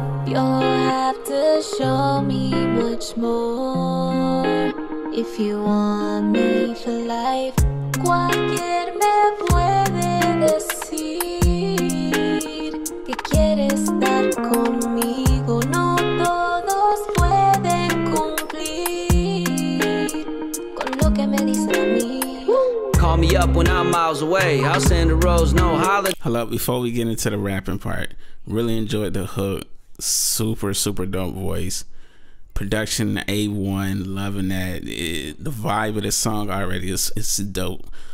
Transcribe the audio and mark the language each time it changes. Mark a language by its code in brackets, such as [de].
[en] You'll have to show me much more if you want me for life. [es] Cualquier me puede decir que quieres estar conmigo. No todos pueden cumplir con lo que me dicen a mí. [en] Call me up when I'm miles away. I'll send a rose, no holler. Hello, before we get into the rapping part, really enjoyed the hook. Super, super dope voice. Production A1, loving that. The vibe of the song already is dope.